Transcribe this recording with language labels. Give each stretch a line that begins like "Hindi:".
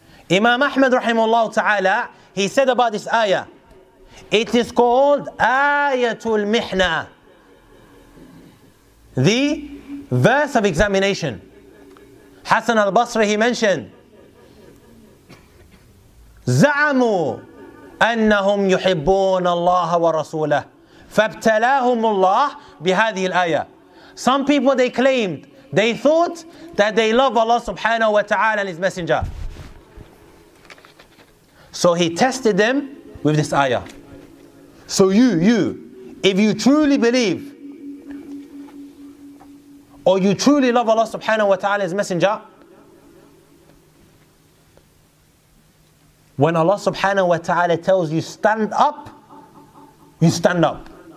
English: Imam Ahmad rahimahullah ta'ala, he said about this ayah, it is called Ayatul Mihna, the verse of examination. Hassan al-Basri, he mentioned,
Arabic: زعموا أنهم يحبون الله ورسوله فابتلاهم الله بهذه الآية.
English: Some people they claimed, they thought that they love Allah subhanahu wa ta'ala and His Messenger. So He tested them with this ayah. So you, if you truly believe or you truly love Allah subhanahu wa ta'ala and His Messenger, when Allah subhanahu wa ta'ala tells you stand up, you stand up.